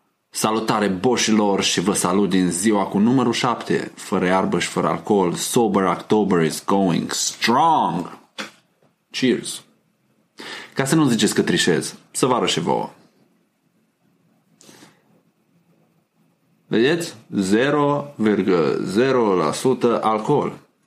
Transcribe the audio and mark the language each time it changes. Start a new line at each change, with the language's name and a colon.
Romanian: Salutare, boșilor, și vă salut din ziua cu numărul 7, fără iarbă și fără alcool.
English: Sober October is going strong. Cheers.
Romanian: Ca să nu ziceți că trișez, să vă arăt și vouă. Vedeți? 0,0% alcool.